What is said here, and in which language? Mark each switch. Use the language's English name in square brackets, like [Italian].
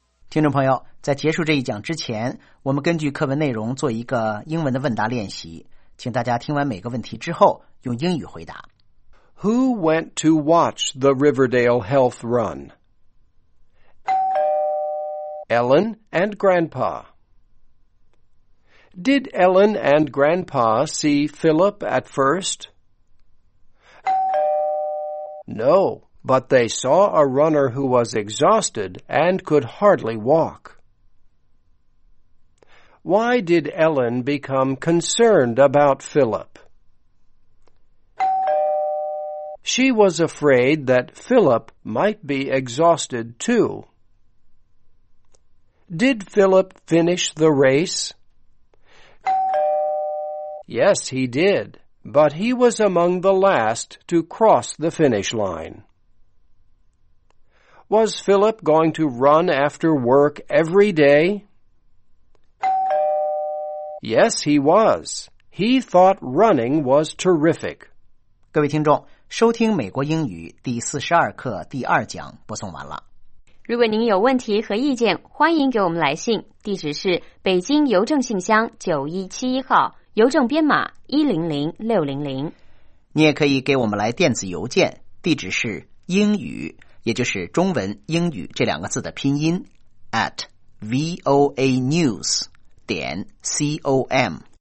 [Chinese] 听众朋友，在结束这一讲之前，我们根据课文内容做一个英文的问答练习。请大家听完每个问题之后用英语回答。 [English] Who went to watch the Riverdale Health Run? Ellen and Grandpa. Did Ellen and Grandpa see Philip at first? No, but they saw a runner who was exhausted and could hardly walk. Why did Ellen become concerned about Philip? She was afraid that Philip might be exhausted too. Did Philip finish the race? Yes, he did, but he was among the last to cross the finish line. Was Philip going to run after work every day? Yes, he was. He thought running was terrific. [Chinese] 各位听众，收听美国英语第42课第二讲播送完了。如果您有问题和意见，欢迎给我们来信，地址是北京邮政信箱9171号，邮政编码100600。你也可以给我们来电子邮件，地址是英语，也就是中文英语这两个字的拼音 @voanews.com